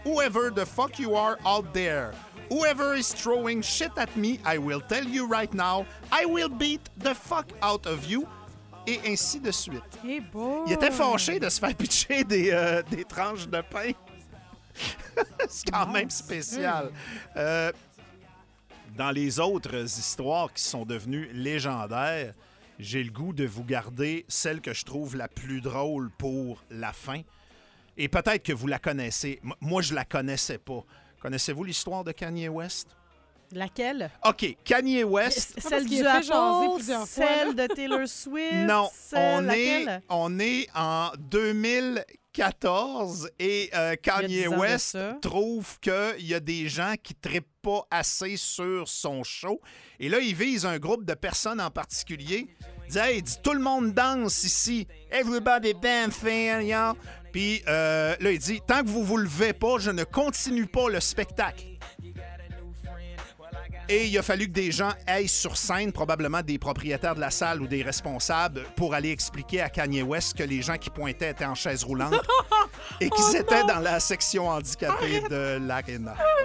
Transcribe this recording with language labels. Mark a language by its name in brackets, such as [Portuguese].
[English] Whoever the fuck you are out there. Whoever is throwing shit at me, I will tell you right now. I will beat the fuck out of you. » [French] Et ainsi de suite. [English] Hey boy. [French] Il était fâché de se faire pitcher des tranches de pain. C'est quand même spécial. Dans les autres histoires qui sont devenues légendaires, j'ai le goût de vous garder celle que je trouve la plus drôle pour la fin. Et peut-être que vous la connaissez. Moi, je la connaissais pas. Connaissez-vous l'histoire de Kanye West? Laquelle? OK, Kanye West. Celle du Apple, celle de Taylor Swift. Non, on est en 2014 et Kanye West trouve qu'il y a des gens qui trippent pas assez sur son show. Et là, il vise un groupe de personnes en particulier. Il dit, hey, tout le monde danse ici. [English] Everybody dancing, y'all. [French] Puis là, il dit, tant que vous vous levez pas, je ne continue pas le spectacle. Et il a fallu que des gens aillent sur scène, probablement des propriétaires de la salle ou des responsables, pour aller expliquer à Kanye West que les gens qui pointaient étaient en chaise roulante et qu'ils étaient dans la section handicapée de l'aréna.